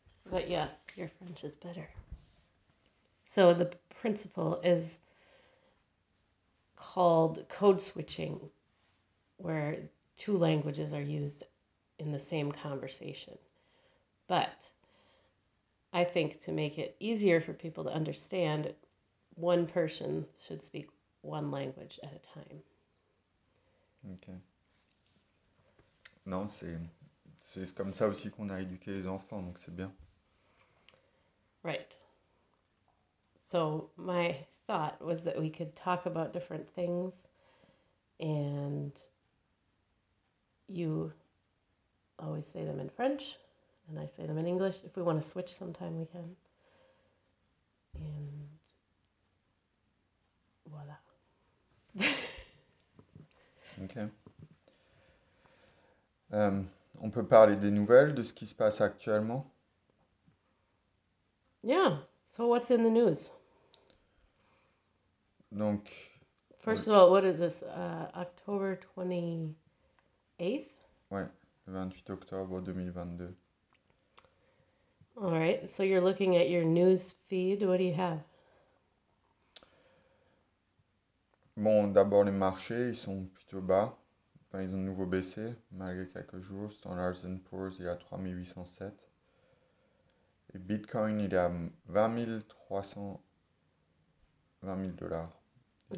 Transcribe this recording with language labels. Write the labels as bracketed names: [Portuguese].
[English] But yeah, your French is better. So the principle is called code switching, where two languages are used in the same conversation. But I think to make it easier for people to understand, one person should speak one language at a time. Ok. [French] Non, c'est comme ça aussi qu'on a éduqué les enfants, donc c'est bien. [English] Right. So my thought was that we could talk about different things and you always say them in French and I say them in English. If we want to switch sometime, we can. And voilà. Ok. [French] On peut parler des nouvelles, de ce qui se passe actuellement. [English] Yeah, so what's in the news? [French] Donc, [English] First of all, what is this? October 28th? [French] ouais, le 28 octobre 2022. [English] All right, so you're looking at your news feed. What do you have? [French] Bon, d'abord les marchés, ils sont plutôt bas. Enfin, ils ont de nouveau baissé malgré quelques jours. Standard & Poor's, il est à 3807. Et Bitcoin, il est à 20 300 20 000 dollars. Il